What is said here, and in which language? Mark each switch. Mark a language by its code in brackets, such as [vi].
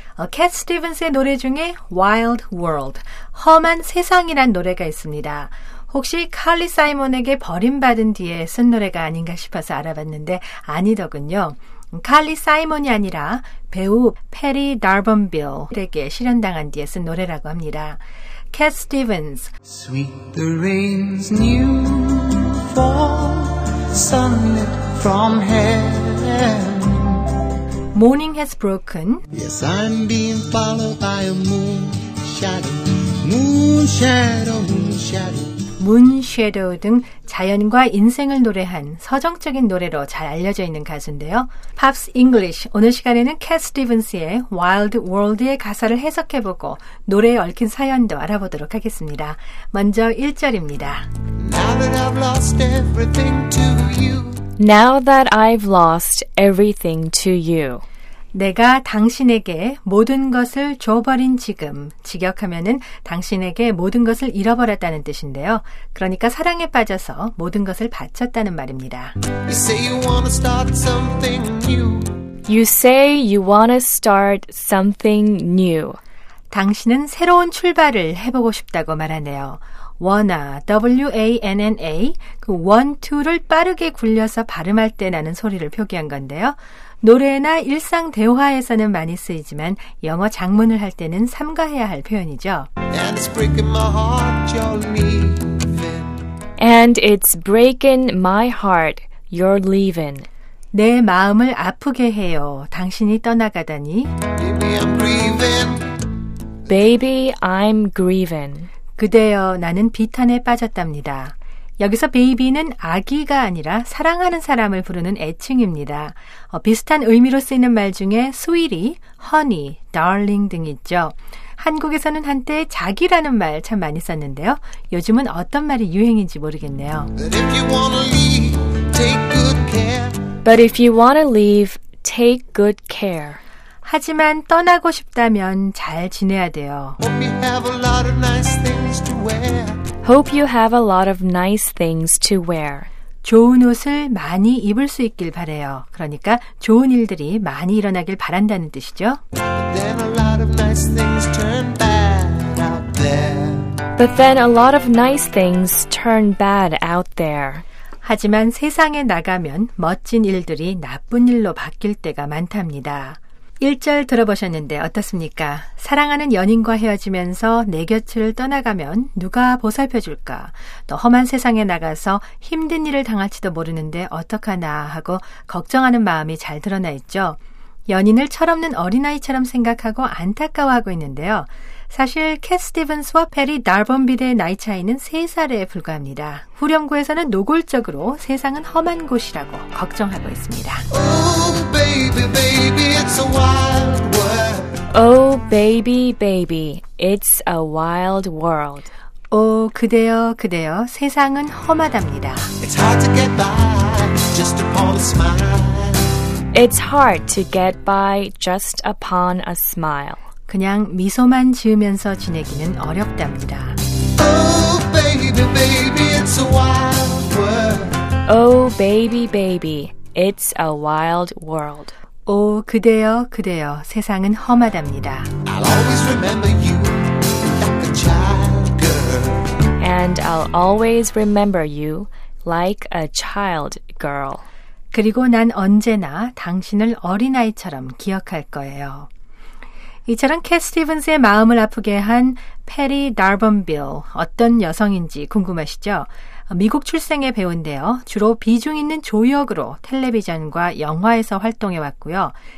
[ko] 캣 스티븐스의 노래 중에 Wild World, 험한 세상이란 노래가 있습니다. 혹시 칼리 사이먼에게 버림받은 뒤에 쓴 노래가 아닌가 싶어서 알아봤는데 아니더군요. 칼리 사이먼이 아니라 배우 페리 다번빌에게 실현당한 뒤에 쓴 노래라고 합니다. [en] 캣 스티븐스 Sweet the rains new fall sunlit from heaven Morning has broken Yes, I'm being followed by a moon shadow Moon shadow, moon shadow Moon Shadow [ko] 등 자연과 인생을 노래한 서정적인 노래로 잘 알려져 있는 가수인데요. Pops English, 오늘 시간에는 캣 스티븐스의 Wild World의 가사를 해석해보고 노래에 얽힌 사연도 알아보도록 하겠습니다. 먼저 1절입니다. [en] Now that I've lost everything to you Now that I've lost everything to you [ko] 내가 당신에게 모든 것을 줘버린 지금 직역하면은 당신에게 모든 것을 잃어버렸다는 뜻인데요. 그러니까 사랑에 빠져서 모든 것을 바쳤다는 말입니다. [en] You say you wanna start something new. You say you wanna start something new. [ko] 당신은 새로운 출발을 해보고 싶다고 말하네요. wanna, W-A-N-N-A, 그 one, two를 빠르게 굴려서 발음할 때 나는 소리를 표기한 건데요. 노래나 일상 대화에서는 많이 쓰이지만 영어 작문을 할 때는 삼가해야 할 표현이죠. [en] And it's breaking my heart, you're leaving. And it's breaking my heart, you're leaving. [ko] 내 마음을 아프게 해요. 당신이 떠나가다니. [en] Baby, I'm grieving. Baby, I'm grieving. [ko] 그대여 나는 비탄에 빠졌답니다. 여기서 베이비는 아기가 아니라 사랑하는 사람을 부르는 애칭입니다. 비슷한 의미로 쓰이는 말 중에 스위리, 허니, 달링 등 있죠. 한국에서는 한때 자기라는 말 참 많이 썼는데요. 요즘은 어떤 말이 유행인지 모르겠네요. [en] But if you wanna leave, take good care. But if you wanna leave, take good care. [ko] 하지만 떠나고 싶다면 잘 지내야 돼요. [en] Hope you have a lot of nice things to wear. Hope you have a lot of nice things to wear. [ko] 좋은 옷을 많이 입을 수 있길 바래요. 그러니까 좋은 일들이 많이 일어나길 바란다는 뜻이죠. [en] But then a lot of nice things turn bad out there. But then a lot of nice things turn bad out there. [ko] 하지만 세상에 나가면 멋진 일들이 나쁜 일로 바뀔 때가 많답니다. 1절 들어보셨는데 어떻습니까? 사랑하는 연인과 헤어지면서 내 곁을 떠나가면 누가 보살펴줄까? 또 험한 세상에 나가서 힘든 일을 당할지도 모르는데 어떡하나 하고 걱정하는 마음이 잘 드러나 있죠. 연인을 철없는 어린아이처럼 생각하고 안타까워하고 있는데요. 사실 캣 스티븐스와 페리 다번빌의 나이 차이는 3살에 불과합니다. 후렴구에서는 노골적으로 세상은 험한 곳이라고 걱정하고 있습니다. [en] Oh, baby, baby, it's a wild world. Oh, baby, baby, it's a wild world. [ko] Oh, 그대여, 그대여, 세상은 험하답니다. [en] It's hard to get by just upon a smile. It's hard to get by just upon a smile. [ko] 그냥 미소만 지으면서 지내기는 어렵답니다. [en] Oh, baby, baby, it's a wild world. Oh, baby, baby, it's a wild world. [ko] Oh, 그대여, 그대여, 세상은 험하답니다. [en] I'll always remember you like a child girl. And I'll always remember you like a child girl. [ko] 그리고 난 언제나 당신을 어린아이처럼 기억할 거예요. 이처럼 캣 스티븐스의 마음을 아프게 한 페리 다번빌, 어떤 여성인지 궁금하시죠? 미국 출생의 배우인데요. 주로 비중 있는 조역으로 텔레비전과 영화에서 활동해왔고요.